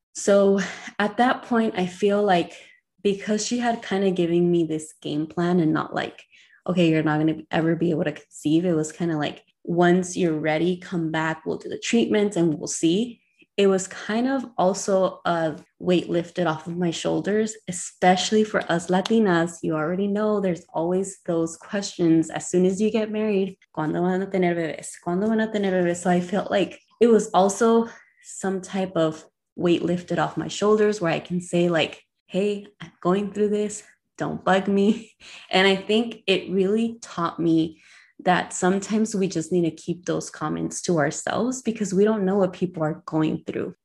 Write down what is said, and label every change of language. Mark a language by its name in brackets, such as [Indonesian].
[English] So at that point, I feel like because she had kind of given me this game plan and not like, okay, you're not going to ever be able to conceive. It was kind of like, once you're ready, come back, we'll do the treatments and we'll see. It was kind of also a weight lifted off of my shoulders, especially for us Latinas. You already know there's always those questions as soon as you get married. [Spanish] ¿Cuándo van a tener bebés? ¿Cuándo van a tener bebés? [English] So I felt like it was also some type of weight lifted off my shoulders where I can say like, hey, I'm going through this. Don't bug me. And I think it really taught me that sometimes we just need to keep those comments to ourselves because we don't know what people are going through.